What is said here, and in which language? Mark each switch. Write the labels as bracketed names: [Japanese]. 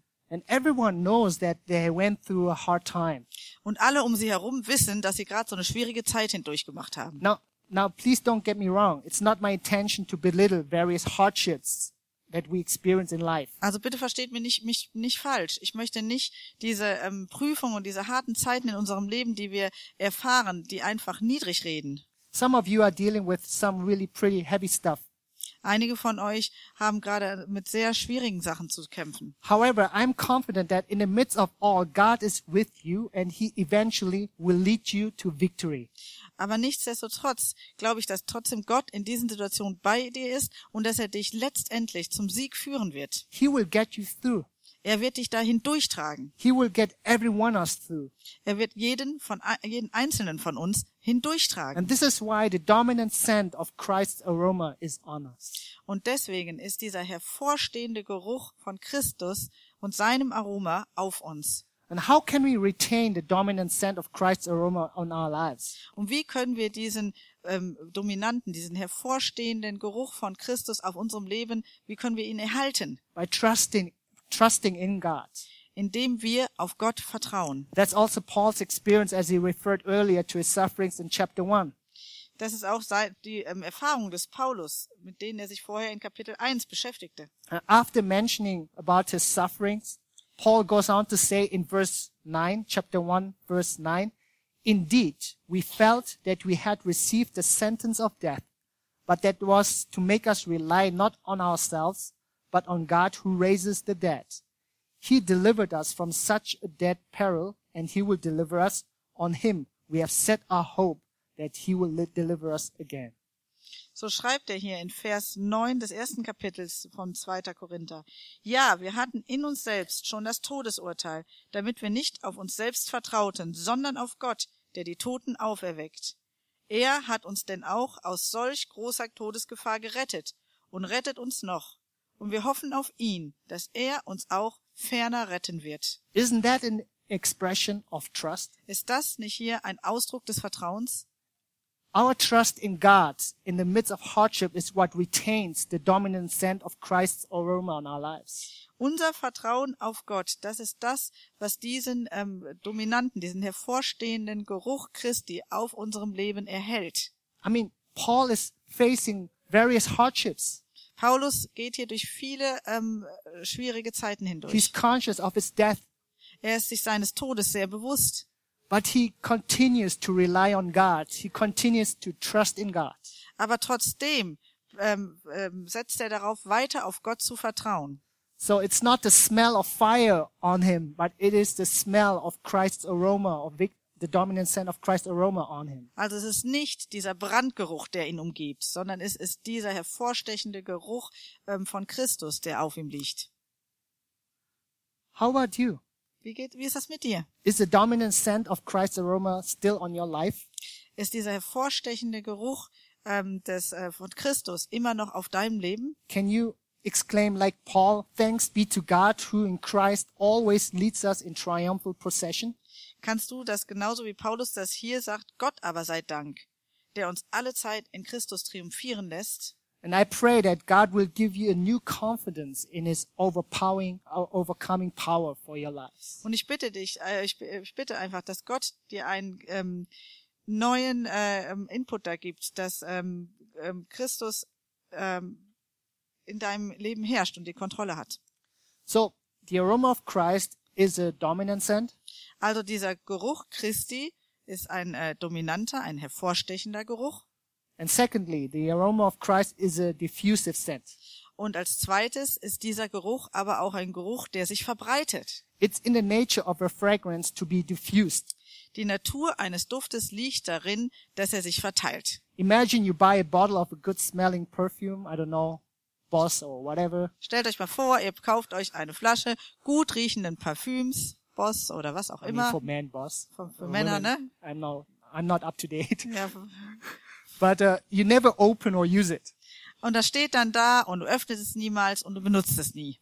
[English] And everyone knows that they went through a hard time. [German] Und alle um sie herum wissen, dass sie gerade so eine schwierige Zeit hindurch gemacht haben. [English] Now please don't get me wrong. It's not my intention to belittle various hardships that we experience in life. [German] Also bitte versteht mich nicht falsch. Ich möchte nicht diese Prüfungen und diese harten Zeiten in unserem Leben, die wir erfahren, die einfach niedrig reden. [English] Some of you are dealing with some really pretty heavy stuff. [German] Einige von euch haben gerade mit sehr schwierigen Sachen zu kämpfen. [English] However, I'm confident that in the midst of all, God is with you and he eventually will lead you to victory. [German] Aber nichtsdestotrotz glaube ich, dass trotzdem Gott in diesen Situationen bei dir ist und dass er dich letztendlich zum Sieg führen wird. [English] He will get you through. [German] Er wird dich dahin durchtragen. [English] He will get every one of us through. [German] Er wird jeden einzelnen von uns hindurchtragen. [English] And this is why the dominant scent of Christ's aroma is on us. [German] Und deswegen ist dieser hervorstehende Geruch von Christus und seinem Aroma auf uns. [English] And how can we retain the dominant scent of Christ's aroma on our lives? [German] Und wie können wir diesen dominanten, diesen hervorstehenden Geruch von Christus auf unserem Leben, wie können wir ihn erhalten? [English] By trusting in God. [German] Indem wir auf Gott vertrauen. [English] That's also Paul's experience as he referred earlier to his sufferings in chapter 1. [German] Das ist auch die Erfahrung des Paulus, mit denen er sich vorher in Kapitel 1 beschäftigte. [English] After mentioning about his sufferings, Paul goes on to say in verse 9, chapter 1, verse 9, indeed, we felt that we had received the sentence of death, but that was to make us rely not on ourselves, but on God who raises the dead. He delivered us from such a dead peril, and he will deliver us. On him we have set our hope that he will deliver us again. [German] So schreibt er hier in Vers 9 des ersten Kapitels von 2. Korinther. Ja, wir hatten in uns selbst schon das Todesurteil, damit wir nicht auf uns selbst vertrauten, sondern auf Gott, der die Toten auferweckt. Er hat uns denn auch aus solch großer Todesgefahr gerettet und rettet uns noch. Und wir hoffen auf ihn, dass er uns auch ferner retten wird. [English] Isn't that an expression of trust? [German] Ist das nicht hier ein Ausdruck des Vertrauens? [English] Our trust in God in the midst of hardship is what retains the dominant scent of Christ's aroma on our lives. [German] Unser Vertrauen auf Gott, das ist das, was diesen dominanten, diesen hervorstehenden Geruch Christi auf unserem Leben erhält. [English] I mean, Paul is facing various hardships. [German] Paulus geht hier durch viele schwierige Zeiten hindurch. [English] He's conscious of his death. [German] Er ist sich seines Todes sehr bewusst. [English] But he continues to rely on God. He continues to trust in God. [German] Aber trotzdem setzt er darauf, weiter auf Gott zu vertrauen. [English] So it's not the smell of fire on him, but it is the smell of Christ's aroma, of the dominant scent of Christ's aroma on him. [German] Also es ist nicht dieser Brandgeruch, der ihn umgibt, sondern es ist dieser hervorstechende Geruch von Christus, der auf ihm liegt. [English] How about you? [German] Wie ist das mit dir? [English] Is the dominant scent of Christ's aroma still on your life? [German] Ist dieser hervorstechende Geruch von Christus immer noch auf deinem Leben? [English] Can you exclaim like Paul, thanks be to God who in Christ always leads us in triumphal procession? [German] Kannst du das genauso wie Paulus das hier sagt, Gott aber sei Dank, der uns alle Zeit in Christus triumphieren lässt? [English] And I pray that God will give you a new confidence in his overcoming power for your lives. [German] Und ich bitte dich, ich bitte einfach, dass Gott dir einen neuen Input da gibt, dass Christus in deinem Leben herrscht und die Kontrolle hat. [English] So, the aroma of Christ is a dominant scent. [German] Also dieser Geruch Christi ist ein dominanter, ein hervorstechender Geruch. [English] And secondly, the aroma of Christ is a diffusive scent. [German] Und als zweites ist dieser Geruch aber auch ein Geruch, der sich verbreitet. [English] It's in the nature of a fragrance to be diffused. [German] Die Natur eines Duftes liegt darin, dass er sich verteilt. [English] Imagine you buy a bottle of a good smelling perfume, I don't know, Boss or whatever. [German] Stellt euch mal vor, ihr kauft euch eine Flasche gut riechenden Parfüms, Boss oder was auch immer. [English] For men, Boss. [German] Für Männer, [English] women, [German] ne? [English] I'm not up to date. But you never open or use it. [German] Und das steht dann da und du öffnest es niemals und du benutzt es nie.